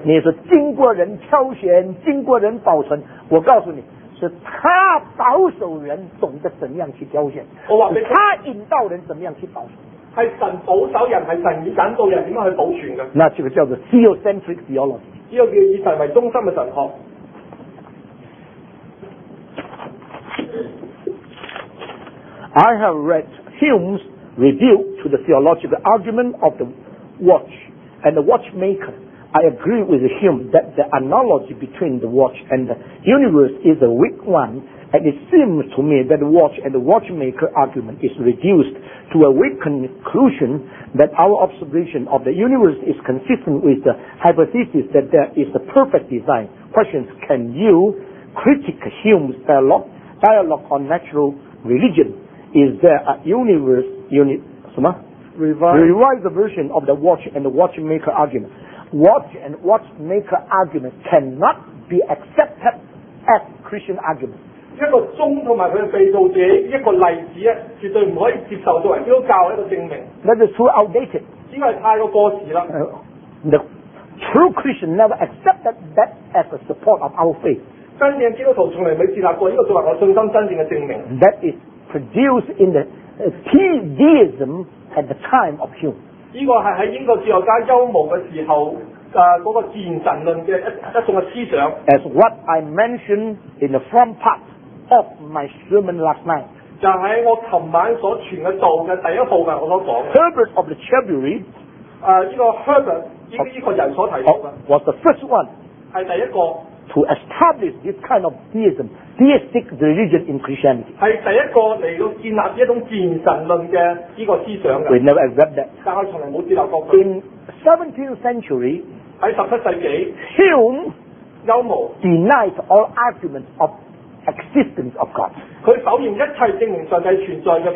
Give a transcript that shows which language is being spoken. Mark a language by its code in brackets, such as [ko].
[zh] 你是经过人挑选，经过人保存，我告诉你，是他保守人懂得怎样去挑选，我告诉你，他引导人怎么样去保存，是神保守人，是神以引导人怎样去保存的，那这个叫做 theocentric theology，这个叫以神为中心的神学， [en] I have read Hume's review to the theological argument of the watch and the watchmaker. I agree with Hume that the analogy between the watch and the universe is a weak one, and it seems to me that the watch and the watchmaker argument is reduced to a weak conclusion that our observation of the universe is consistent with the hypothesis that there is a perfect design. Questions: Can you critique Hume's dialogue on natural religion? Is there a revised version of the watch and the watchmaker argument? Watch and watchmaker argument cannot be accepted as Christian argument. [zh] 一个宗和他的被造者一个例子绝对不可以接受作为基督教的一个证明。 [en] That is too outdated. [zh] 这个是太过时了。 [en] The True Christian never accepted that as a support of our faith. [zh] 真正基督徒从来没接纳过，因为作为我信心真正的证明。 [en] That is produced in the theism at the time of Hume. [zh] 这个是在英国哲学家休谟的时候那个自然神论的一种思想。 [en] As what I mentioned in the front part of my sermon last night. [zh] 就是我昨晚所传的道的第一部分我所说的 [en] Herbert of the Chevalry [zh] 这个 Herbert 这个人所提到的 [en] was the first one [zh] 是第一个 [en] to establish this kind of theism theistic religion in Christianity [zh] 是第一个来到建立一种自然神论的这个思想的 [en] we never accept that [zh] 但我从来没接纳过 [en] in 17th century [zh] 在17世纪 [en] Hume [zh] 休谟 [en] denied all arguments ofexistence of God. [zh] 他否認一切證明上帝存在的